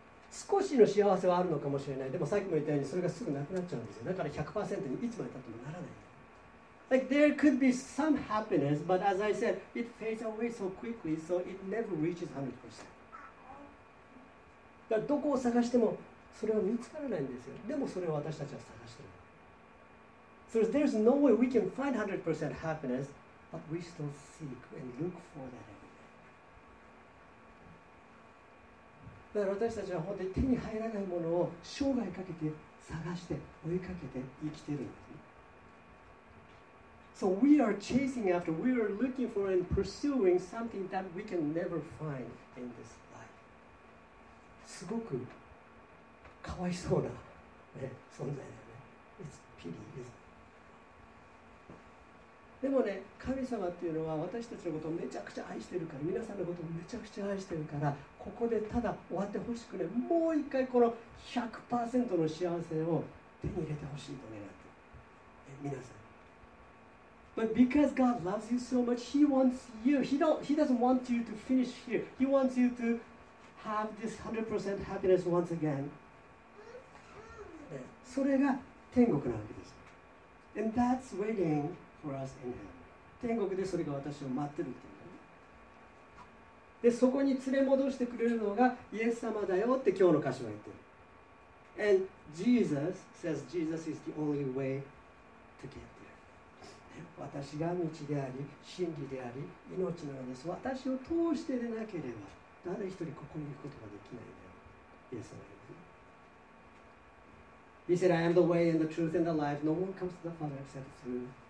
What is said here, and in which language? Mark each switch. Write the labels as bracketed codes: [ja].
[ja] 少しの幸せはあるのかもしれない。でもさっきも言ったようにそれがすぐなくなっちゃうんですよ。だから 100% にいつまでたってもならない。 [en] Like there could be some happiness, but as I said, it fades away so quickly, so it never reaches 100%. [ja] だどこを探してもそれは見つからないんですよ。でもそれを私たちは探してる。 [en] So there's no way we can find 100% happiness, but we still seek and look for that every day. [ja] だから私たちは本当に手に入らないものを生涯かけて探して追いかけて生きてるんです。 [en] So we are chasing after, we are looking for and pursuing something that we can never find in this. [ja] すごくかわいそうな、ね、存在だよね。 [en] It's pity, isn't it? [ja] でもね、神様っていうのは私たちのことをめちゃくちゃ愛してるから、皆さんのことをめちゃくちゃ愛してるから、ここでただ終わってほしくね、もう一回この 100% の幸せを手に入れてほしいと願って、ね、皆さん。 [en] But because God loves you so much, He wants you, He doesn't want you to finish here. He wants you toHave this 100% happiness once again. [ja] それが天国なわけです。 [en] And that's waiting for us in heaven. [ja] 天国でそれが私を待ってるっていう。で、そこに連れ戻してくれるのがイエス様だよって今日の箇所は言ってる。 [en] And Jesus says Jesus is the only way to get there. [ja] 私が道であり、真理であり、命なのです。私を通してでなければ。誰一人ここに行くことができないんだよ。イエス様言う。 [en] He said, I am the way and the truth and the life. No one comes to the Father except through.